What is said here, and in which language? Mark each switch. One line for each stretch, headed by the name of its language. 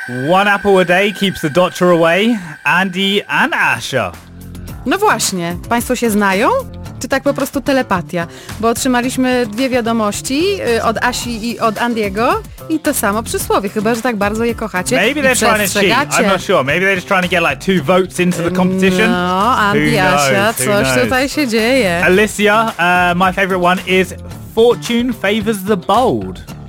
English: One apple a day keeps the doctor away, Andy and Asia.
Polish: No właśnie, państwo się znają? Czy tak po prostu telepatia? Bo otrzymaliśmy dwie wiadomości od Asi i od Andiego i to samo przysłowie, chyba że tak bardzo je kochacie.
English: Maybe they're
Polish: i przestrzegacie.
English: Trying to cheat. I'm not sure. Maybe they're just trying to get like two votes into the competition.
Polish: No, Andy, Asia, coś tutaj się dzieje.
English: Alicia, my favorite one is Fortune Favors the Bold.